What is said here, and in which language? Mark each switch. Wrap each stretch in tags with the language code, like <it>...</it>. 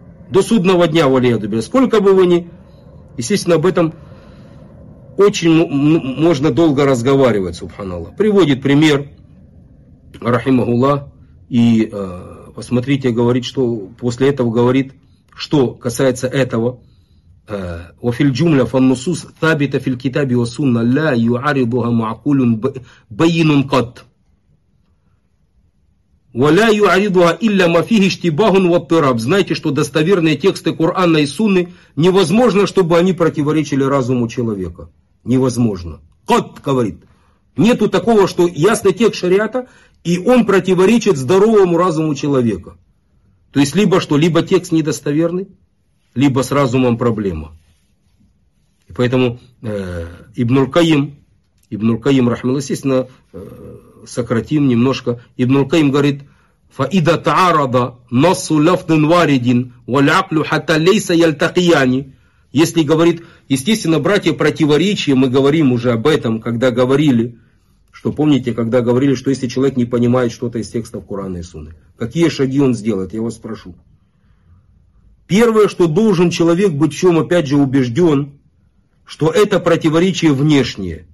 <ru>До судного дня, валиаду билля. Сколько бы вы ни... Естественно, об этом очень можно долго разговаривать, субханаллах. Приводит пример, рахимахуллах, и посмотрите, говорит, что после этого говорит... Что касается этого,</ru> <ar>وَفِي الْجُمْلَ فَالنُّصُوصُ ثَابِتَ فِي الْكِتَابِ وَالسُّنَّةِ لَا يُعَارِضُهَا مَعْقُولٌ بَيِّنٌ قَدْ وَلَا يُعَارِضُهَا إِلَّا مَا فِيهِ اشْتِبَاهٌ وَاضْطِرَابٌ.</ar> <ru>Знаете, что достоверные тексты Корана и Сунны невозможно, чтобы они противоречили разуму человека. Невозможно. Кот говорит. Нету такого, что ясный текст шариата, и он противоречит здоровому разуму человека. То есть, либо что, либо текст недостоверный, либо с разумом проблема. И поэтому Ибн-Уль-Кайим, рахмаллах, естественно, сократим немножко. Ибн-Уль-Кайим говорит,</ru> <ar>فَإِذَا تَعَارَضَ نَصُّ لَفْضٍ وَارِدٍ وَالْعَقْلُ حَتَّى لَيْسَ يَلْتَقِيَانِ.</ar> <ru>Если говорит, естественно, братья, противоречия, мы говорим уже об этом, когда говорили, что помните, когда говорили, что если человек не понимает что-то из текстов Корана и Сунны, какие шаги он сделает, я вас спрошу. Первое, что должен человек быть в чем, опять же, убежден, что это противоречие внешнее.</ru>